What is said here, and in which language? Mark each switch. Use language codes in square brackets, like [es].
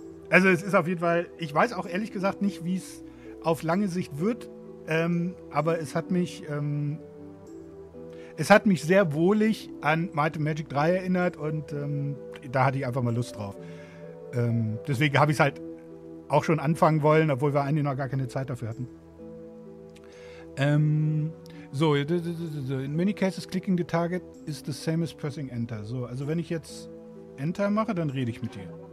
[de] Also es ist auf jeden Fall, ich weiß auch ehrlich gesagt nicht, wie es auf lange Sicht wird, aber es hat mich sehr wohlig an Might & Magic 3 erinnert und da hatte ich einfach mal Lust drauf. Deswegen habe ich es halt auch schon anfangen wollen, obwohl wir eigentlich noch gar keine Zeit dafür hatten. [en] So, in many cases clicking the target is the same as pressing enter. [de] So, also wenn ich jetzt enter mache, dann rede ich mit dir.